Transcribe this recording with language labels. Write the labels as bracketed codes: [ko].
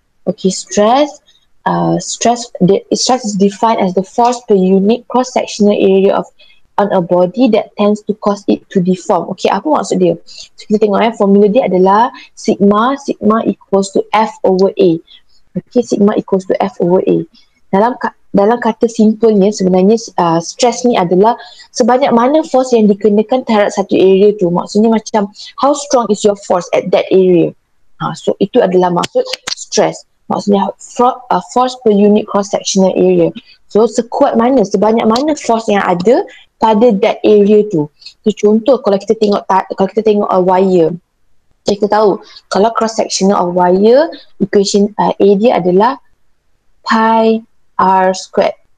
[en] Okay, stress is defined as the force per unit cross-sectional area of on a body that tends to cause it to deform. Okay, [ms] apa maksud dia? So, kita tengok ya, formula dia adalah [en] sigma equals to F over A. Okay, sigma equals to F over A. [ms] Dalam kata simpelnya, sebenarnya stress ni adalah sebanyak mana force yang dikenakan terhadap satu area tu. Maksudnya macam, [en] how strong is your force at that area? [ms] Ha, so, itu adalah maksud stress. Maksudnya, [en] force per unit cross-sectional area. [ms] So, sekuat mana, sebanyak mana force yang ada pada [en] that area [ms] tu. So, contoh, kalau kita tengok [en] a wire, [ms] kita tahu, kalau cross-sectional of wire, equation A dia adalah [en] pi R squared.